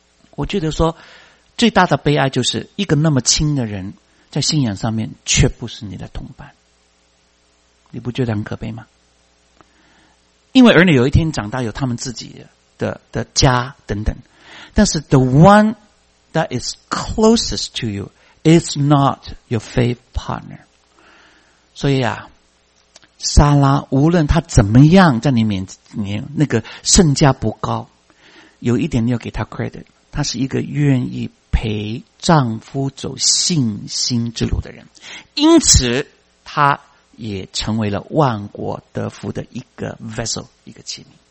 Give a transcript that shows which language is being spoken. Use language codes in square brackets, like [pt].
[zh] 我觉得说最大的悲哀就是一个那么亲的人在信仰上面却不是你的同伴，你不觉得很可悲吗？因为儿女有一天长大有他们自己的家等等，但是 [en] the one that is closest to you is not your faith partner. [zh] 所以啊，撒拉无论他怎么样在你面前那个身价不高，有一点你要给他 credit， 他是一个愿意陪丈夫走信心之路的人，因此他也成为了万国得福的一个 vessel， 一个器皿。